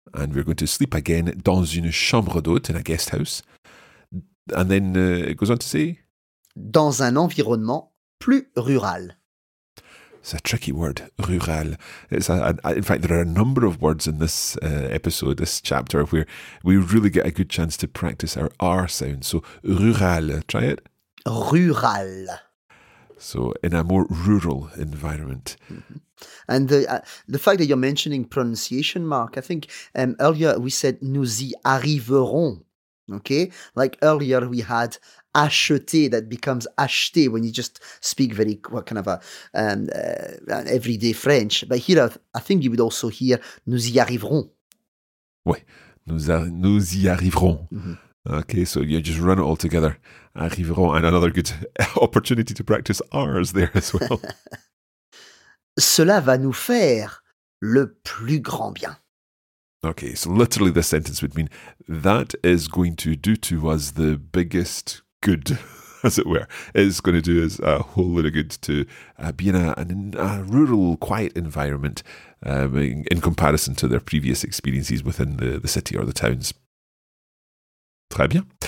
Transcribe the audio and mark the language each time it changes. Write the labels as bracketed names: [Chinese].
[English] And we're going to sleep again [French] dans une chambre d'hôte, [English] in a guest house. And then it goes on to say... [French] Dans un environnement plus rural. [English] It's a tricky word, rural. In fact, there are a number of words in this episode, this chapter, where we really get a good chance to practice our R sound. So, rural, try it. Rural. So, in a more rural environment. Mm-hmm. And the fact that you're mentioning pronunciation, Mark, I think earlier we said [French] nous y arriverons, [English] okay? Like earlier we had acheter, that becomes acheter when you just speak very, what kind of a everyday French. But here, I think you would also hear [French] nous y arriverons. Oui, nous y arriverons. Mm-hmm. [English] Okay, so you just run it all together. Arriveront, and another good opportunity to practice R's there as well. [French] Cela va nous faire le plus grand bien. [English] Okay, so literally the sentence would mean that is going to do to us the biggest good, as it were. It's going to do us a whole lot of good to be in a rural, quiet environment in comparison to their previous experiences within the city or the towns. [French] Très bien.